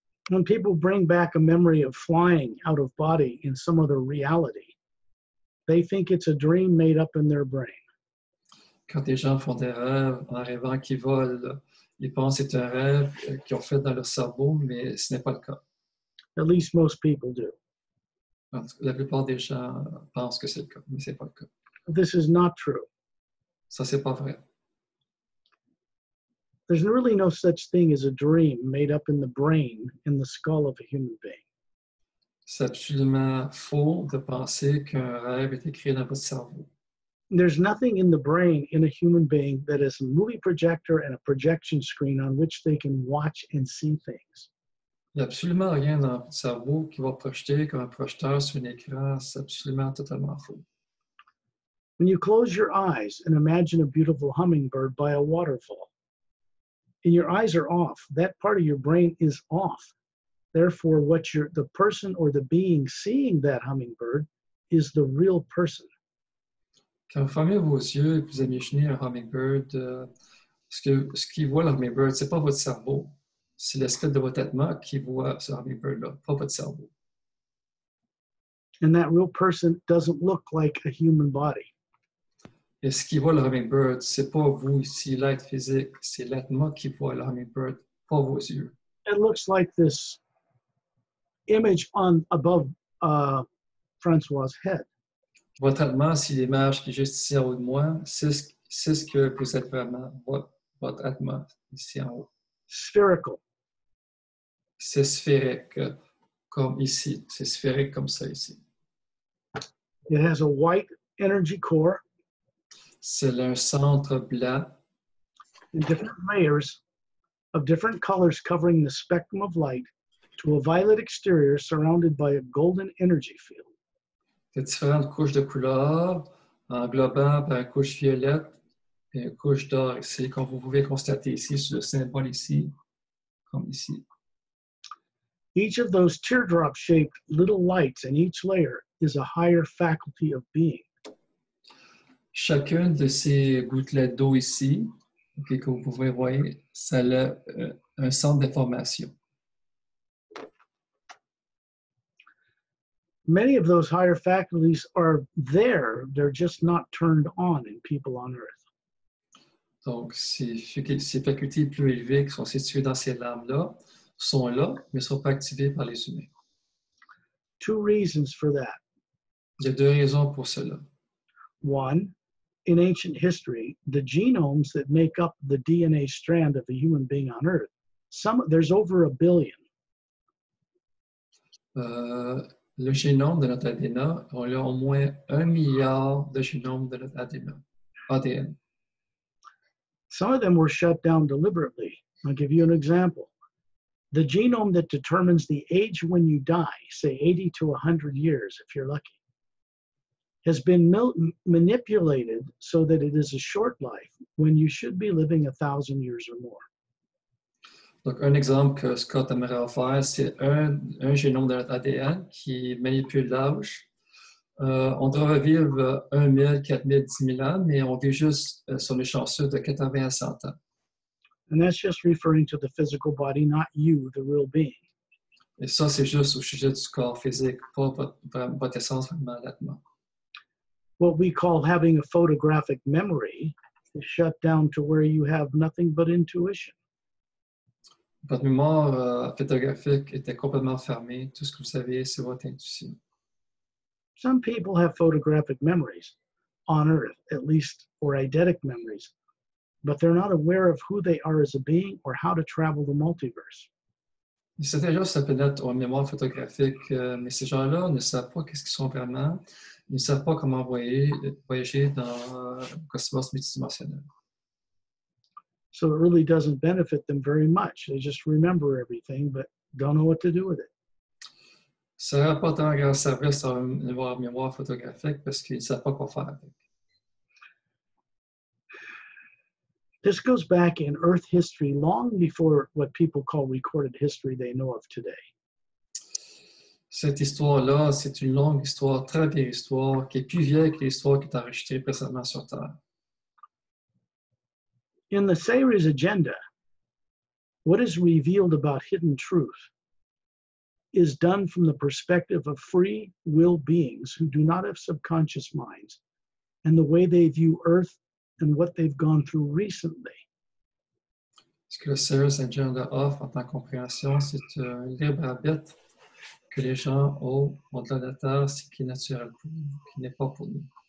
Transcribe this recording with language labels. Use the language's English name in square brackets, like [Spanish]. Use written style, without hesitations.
[English] When people bring back a memory of flying out of body in some other reality, they think it's a dream made up in their brain. [French] Quand des gens font des rêves en rêvant qu'ils volent, ils pensent que c'est un rêve qu'ils ont fait dans leur cerveau, mais ce n'est pas le cas. [English] At least most people do. [French] La plupart des gens pensent que c'est le cas, mais c'est pas le cas. [English] This is not true. [French] Ça, c'est pas vrai. [English] There's really no such thing as a dream made up in the brain, in the skull of a human being. [French] C'est absolument faux de penser qu'un rêve est écrit dans votre cerveau. [English] There's nothing in the brain in a human being that is a movie projector and a projection screen on which they can watch and see things. [French] Il n'y a absolument rien dans le cerveau qui va projeter comme un projecteur sur un écran. C'est absolument totalement faux. [English] When you close your eyes and imagine a beautiful hummingbird by a waterfall, and your eyes are off, that part of your brain is off. Therefore, what you're, the person or the being seeing that hummingbird is the real person. [French] Quand vous fermez vos yeux et vous imaginez un hummingbird, ce qui voit le hummingbird, ce n'est pas votre cerveau. C'est l'esprit de votre Atma qui voit ce hummingbird-là, pas votre cerveau. [English] And that real person doesn't look like a human body. [French] Et ce qui voit le hummingbird, c'est pas vous ici, l'être physique, c'est l'Atma qui voit le hummingbird, pas vos yeux. [English] It looks like this image on above François' head. [French] Votre Atma, c'est l'image qui est juste ici en haut de moi, c'est ce que vous êtes vraiment, votre Atma, ici en haut. [English] Spherical. [French] C'est sphérique comme ici. C'est sphérique comme ça ici. [English] It has a white energy core. [French] c'est un centre blanc. [English] In different layers of different colors covering the spectrum of light to a violet exterior surrounded by a golden energy field. [French] De différentes couches de couleurs englobant par une couche violette et une couche d'or. C'est comme vous pouvez constater ici sur le symbole ici, comme ici. [English] Each of those teardrop-shaped little lights in each layer is a higher faculty of being. [French] Chacune de ces gouttelettes d'eau ici, okay, que vous pouvez voir, ça a un centre d'information. [English] Many of those higher faculties are there, they're just not turned on in people on Earth. [French] Donc, ces facultés plus élevées qui sont situées dans ces lames-là, sont là, mais ne sont pas activés par les humains. [English] Two reasons for that. [French] Il y a deux raisons pour cela. [English] One, in ancient history, the genomes that make up the DNA strand of a human being on Earth, there's over a billion. [French] Le génome de notre ADN, on a au moins un milliard de génomes de notre ADN. [English] Some of them were shut down deliberately. I'll give you an example. The genome that determines the age when you die, say 80 to 100 years, if you're lucky, has been manipulated so that it is a short life when you should be living 1,000 years or more. [French] Donc, un exemple que Scott aimerait offrir, c'est un génome de notre ADN qui manipule l'âge. On devrait vivre 1,000, 4,000, 10,000 ans, mais on vit juste sur les chanceux de 80 à 100 ans. [English] And that's just referring to the physical body, not you, the real being. [French] Et ça, c'est juste au sujet du corps physique, pas votre essence vraiment, l'atma. [English] What we call having a photographic memory is shut down to where you have nothing but intuition. [French] Votre mémoire photographique était complètement fermée. Tout ce que vous savez, c'est votre intuition. [English] Some people have photographic memories on Earth, at least, or eidetic memories. But they're not aware of who they are as a being or how to travel the multiverse. [French] Certains gens se connectent aux mémoires photographiques, mais ces gens-là ne savent pas qu'est-ce qu'ils sont vraiment. Ils ne savent pas comment voyager dans le cosmos multidimensionnel. [English] So it really doesn't benefit them very much. They just remember everything, but don't know what to do with it. [French] Ça n'a pas tant grand service à leur mémoire photographique parce qu'ils ne savent pas quoi faire avec. [English] This goes back in Earth history long before what people call recorded history they know of today. [French] Cette histoire-là, c'est une longue histoire, très vieille histoire, qui est plus vieille que l'histoire qui est enregistrée présentement sur Terre. [English] In the Sayre's agenda, what is revealed about hidden truth is done from the perspective of free will beings who do not have subconscious minds and the way they view Earth and what they've gone through recently. [French] Ce que le Sayre's agenda offre en tant que compréhension, c'est un libre arbitre que les gens ont au-delà de la Terre, ce qui est naturel pour nous, qui n'est pas pour nous.